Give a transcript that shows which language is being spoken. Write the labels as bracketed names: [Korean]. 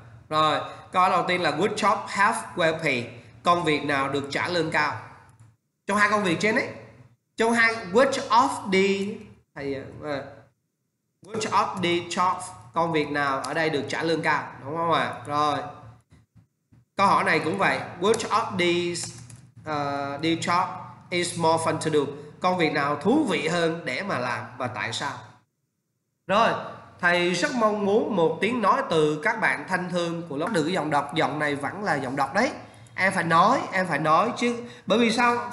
[Vietnamese] Rồi, câu đầu tiên là [English] good job, have well pay. [Vietnamese] Công việc nào được trả lương cao? Trong hai công việc trên ấy, trong hai [English] which of the [Vietnamese] hay [English] which of the job, [Vietnamese] công việc nào ở đây được trả lương cao, đúng không ạ? Rồi. Câu hỏi này cũng vậy. [English] Which of these job is more fun to do? [Vietnamese] Công việc nào thú vị hơn để mà làm và tại sao? Rồi, thầy rất mong muốn một tiếng nói từ các bạn thanh thương của lớp. Được cái giọng đọc, giọng này vẫn là giọng đọc đấy. Em phải nói chứ. Bởi vì sao?